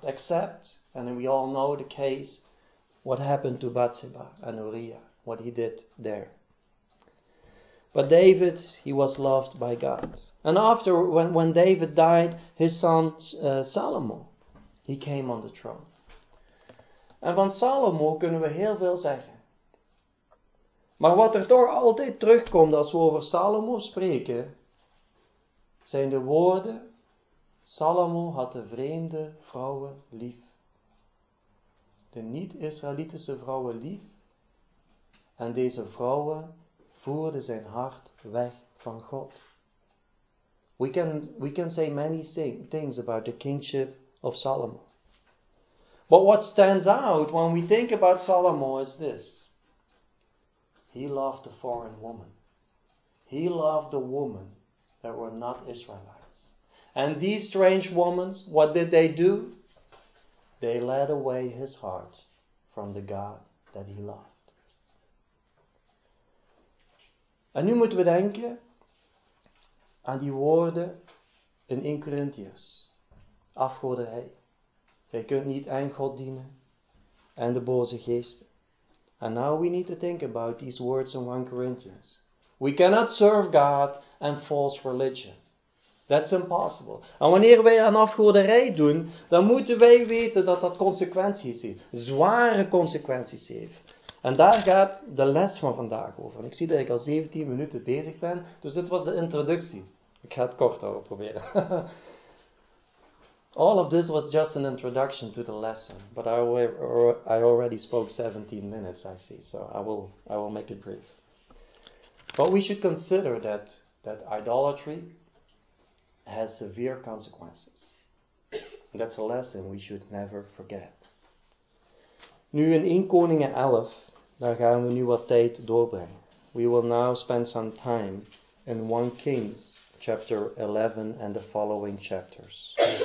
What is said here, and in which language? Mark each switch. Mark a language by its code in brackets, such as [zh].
[en] Except, and we all know the case, what happened to Bathsheba and Uriah. What he did there. But David, he was loved by God. And after, when David died, his son Salomo, he came on the throne. [nl] En van Salomo kunnen we heel veel zeggen. Maar wat er toch altijd terugkomt als we over Salomo spreken, zijn de woorden, Salomo had de vreemde vrouwen lief. De niet-Israëlitische vrouwen lief. En deze vrouwen voerde zijn hart weg van God. [en] We can say many things about the kingship of Solomon. But what stands out when we think about Solomon is this. He loved a foreign woman. He loved a woman that were not Israelites. And these strange women, what did they do? They led away his heart from the God that he loved. [nl] En nu moeten we denken aan die woorden in 1 Corinthiërs. Afgoderij. Je kunt niet en God dienen en de boze geesten. [en] And now we need to think about these words in 1 Corinthians. We cannot serve God and false religion. That's impossible. [nl] En wanneer wij aan afgoderij doen, dan moeten wij weten dat dat consequenties heeft. Zware consequenties heeft. En daar gaat de les van vandaag over. En ik zie dat ik al 17 minuten bezig ben. Dus dit was de introductie. Ik ga het kort houden proberen. [en] All of this was just an introduction to the lesson. But I already spoke 17 minutes, I see. So I will make it brief. But we should consider that idolatry has severe consequences. And that's a lesson we should never forget. [nl] Nu in 1 Koningen 11... Daar gaan we nu wat tijd doorbrengen. [en] We will now spend some time in 1 Kings chapter 11 and the following chapters.